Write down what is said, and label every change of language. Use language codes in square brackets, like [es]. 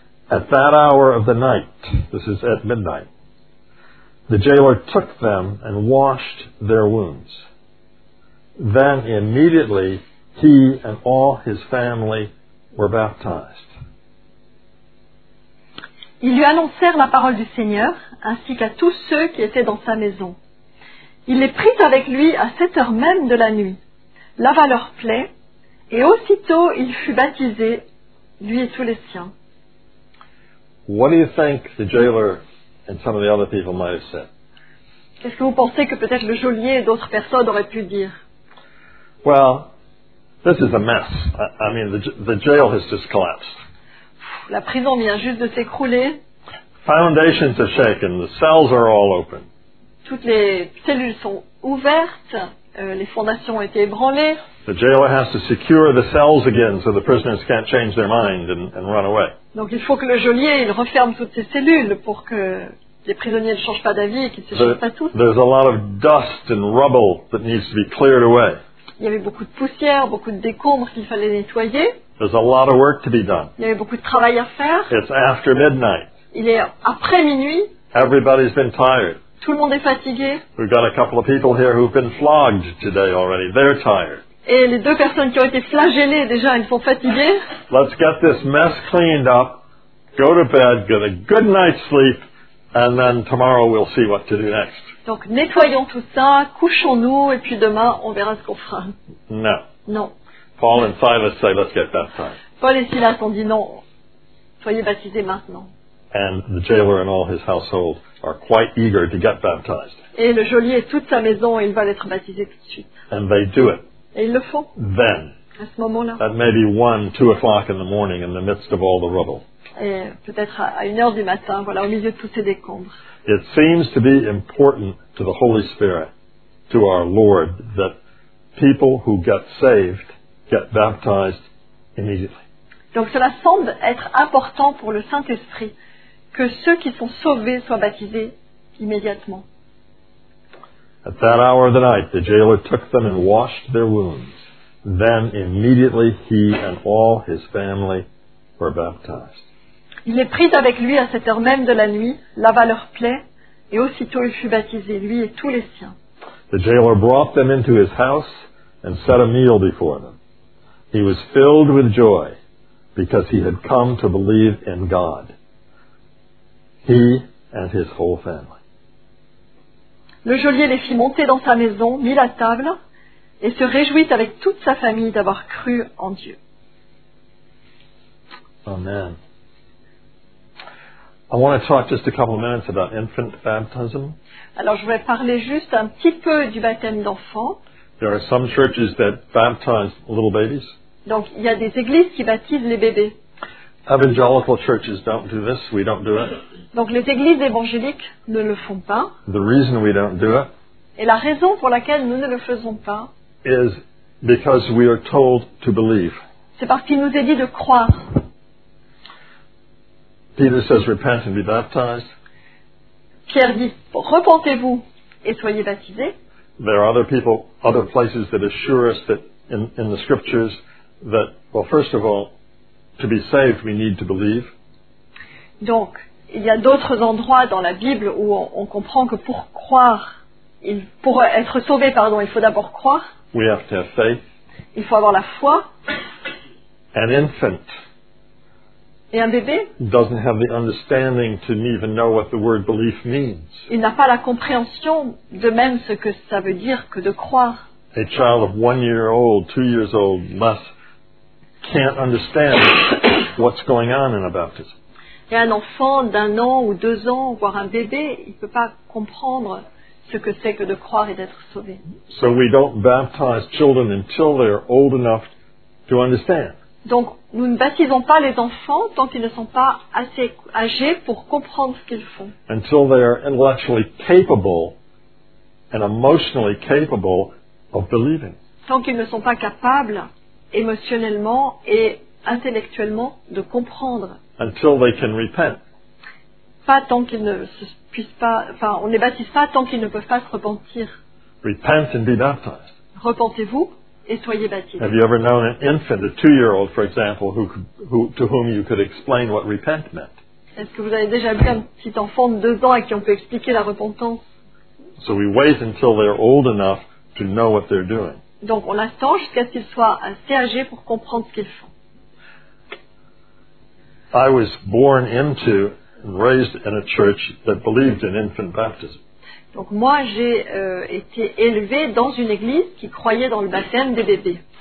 [en] At that hour of the night, this is at midnight, the jailer took them and washed their wounds. Then immediately he and all his family were baptized. [fr] Ils lui annoncèrent la parole du Seigneur, ainsi qu'à tous ceux qui étaient dans sa maison. Il les prit avec lui à 7 heures même de la nuit, lava leurs plaies, et aussitôt il fut baptisé, lui et tous les siens. [en] What do you think the jailer and some of the other people might have said? [fr] Qu'est-ce que vous pensez que peut-être le geôlier et d'autres personnes auraient pu dire? [en] Well, this is a mess. I mean, the jail has just collapsed. [fr] La prison vient juste de s'écrouler. [en] Foundations are shaken. The cells are all open. [fr] Toutes les cellules sont ouvertes. Les fondations ont été ébranlées. [en] The jailer has to secure the cells again so the prisoners can't change their mind and run away. [fr] Donc il faut que le geôlier il referme toutes ces cellules pour que les prisonniers ne changent pas d'avis et qu'ils ne s'échappent pas tous. [en] There's a lot of dust and rubble that needs to be cleared away. [fr] Il y avait beaucoup de poussière, beaucoup de décombres qu'il fallait nettoyer. [en] There's a lot of work to be done. [fr] Il y avait beaucoup de travail à faire. [en] It's after midnight. [fr] Il est après minuit. [en] Everybody's been tired. [fr] Tout le monde est fatigué. [en] We've got a couple of people here who've been flogged today already. They're tired. [fr] Et les deux personnes qui ont été flagellées déjà, elles sont fatiguées. [en] Let's get this mess cleaned up, go to bed, get a good night's sleep, and then tomorrow we'll see what to do next. [fr] Donc nettoyons tout ça, couchons-nous, et puis demain on verra ce qu'on fera. [en] No. [fr] Non. [en] Paul and Silas say, "Let's get baptized." [fr] Paul et Silas ont dit non, soyez baptisés maintenant. [en] And the jailer and all his household are quite eager to get baptized. [fr] Et le geôlier et toute sa maison, ils veulent être baptisés tout de suite. [en] And they do it. [fr] Et ils le font. [en] Then. [fr] À ce moment-là. [en] At maybe 1-2 o'clock in the morning, in the midst of all the rubble. [fr] Et peut-être à 1 heure du matin, voilà, au milieu de tous ces décombres. [en] It seems to be important to the Holy Spirit, to our Lord, that people who get saved get baptized immediately. [fr] Donc cela semble être important pour le Saint-Esprit que ceux qui sont sauvés soient baptisés immédiatement. [en] At that hour of the night, the jailer took them and washed their wounds. Then immediately he and all his family were baptized. [fr] Il les prit avec lui à cette heure même de la nuit, lava leurs plaies, et aussitôt il fut baptisé, lui et tous les siens. [en] The jailer brought them into his house and set a meal before them. He was filled with joy because he had come to believe in God, he and his whole family. [fr] Le geôlier les fit monter dans sa maison, mit la table, et se réjouit avec toute sa famille d'avoir cru en Dieu. [en] Amen. I want to talk just a couple of minutes about infant baptism. [fr] Alors, je vais parler juste un petit peu du baptême d'enfants. [en] There are some churches that baptize little babies. [fr] Donc, il y a des églises qui baptisent les bébés. [en] Evangelical churches don't do this. We don't do it. [fr] Donc, les églises évangéliques ne le font pas. [en] The reason we don't do it. [fr] Et la raison pour laquelle nous ne le faisons pas. [en] Is because we are told to believe. [fr] C'est parce qu'il nous est dit de croire. [en] Peter says, "Repent and be baptized." [fr] Pierre dit, repentez-vous et soyez baptisés. [en] There are other people, other places that assure us that in the scriptures that, well, first of all, to be saved, we need to believe. [fr] Donc, il y a d'autres endroits dans la Bible où on comprend que pour croire, pour être sauvé, pardon, il faut d'abord croire. [en] We have to have faith. [fr] Il faut avoir la foi. [en] An infant. [fr] Et un bébé [en] doesn't have the understanding to even know what the word belief means. [fr] Il n'a pas la compréhension de même ce que ça veut dire que de croire. [en] A child of 1 year old, 2 years old can't understand what's going on in a baptism. [fr] Et un enfant d'un an ou deux ans, voire un bébé, il ne peut pas comprendre ce que c'est que de croire et d'être sauvé. [en] So we don't baptize children until they're old enough to understand. [fr] Donc, nous ne baptisons pas les enfants tant qu'ils ne sont pas assez âgés pour comprendre ce qu'ils font. [en] Until they are intellectually capable and emotionally capable of believing. [fr] Tant qu'ils ne sont pas capables émotionnellement et intellectuellement de comprendre. [en] Until they can repent. [fr] Pas tant qu'ils ne se puissent pas, enfin, on ne les baptise pas tant qu'ils ne peuvent pas se repentir. [en] Repent and be baptized. [fr] Repentez-vous. Et soyez baptisés. [en] Have you ever known an infant, a two-year-old, for example, to whom you could explain what repent meant? [fr] Est-ce que vous avez déjà vu un petit enfant de 2 ans à qui on peut expliquer la repentance? [en] So we wait until they're old enough to know what they're doing. [fr] Donc on attend jusqu'à ce qu'ils soient assez âgés pour comprendre ce qu'ils font. [en] I was born into and raised in a church that believed in infant baptism. [fr] Donc moi, j'ai été élevé dans une église qui croyait dans le baptême des bébés.